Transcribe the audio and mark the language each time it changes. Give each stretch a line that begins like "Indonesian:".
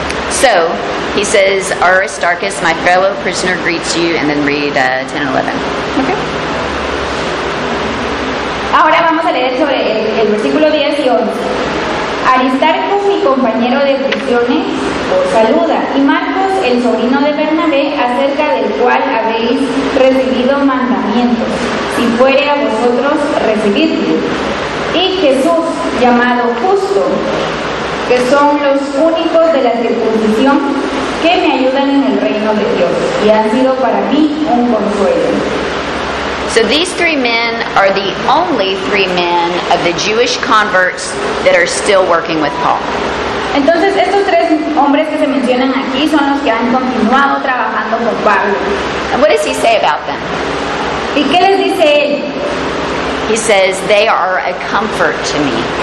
English: So he says, Aristarchus, my fellow prisoner, greets you, and then read 10 and 11. Okay.
Spanish: Ahora vamos a leer sobre el versículo 10 y 11. Aristarco, mi compañero de prisiones, os saluda. Y Marcos, el sobrino de Bernabé, acerca del cual habéis recibido mandamientos, si fuere a vosotros recibirlo. Y Jesús, llamado Justo, que son los únicos de la circuncisión que me ayudan en el reino de Dios y han sido para mí un consuelo.
English: So these three men are the only three men of the Jewish converts that are still working with Paul.
Spanish: Entonces estos tres hombres que se mencionan aquí son los que han continuado trabajando con Pablo.
English: And what does he say about them?
Spanish: ¿Y qué les dice él?
English: He says they are a comfort to me.